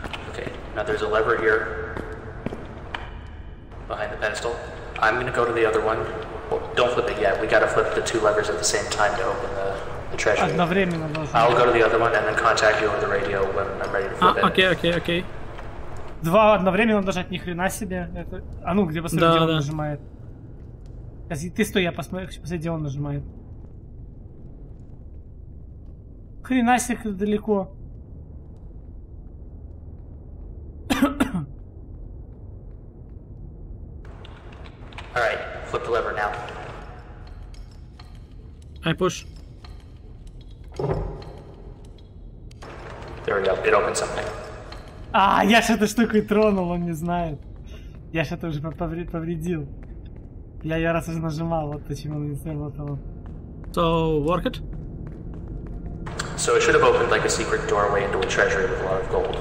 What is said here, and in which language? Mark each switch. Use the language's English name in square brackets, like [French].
[English] Okay, now there's a lever here. Behind the pedestal. I'm gonna go to the other one. Don't flip it yet. We gotta flip the two levers at the same time to open the treasure. [Russian] Одновременно должен. [English] I'll go to the other one and then contact you on the radio when I'm ready to flip it. Okay. [Russian] Два одновременно нажать, ни хрена себе. Это... А ну, где посмотри, да, где да. он нажимает. Ты стой, я посмотрю, где он нажимает. Хрена себе далеко. [English] Alright, flip the lever now. I push. There we go, it opened something. [Russian] А, я ж этой штукой тронул, он не знает. Я ж это уже повредил. Я ее раз уже нажимал, вот почему он не сработал. [English] So, work it? So it should have opened like a secret doorway into a treasury with a lot of gold.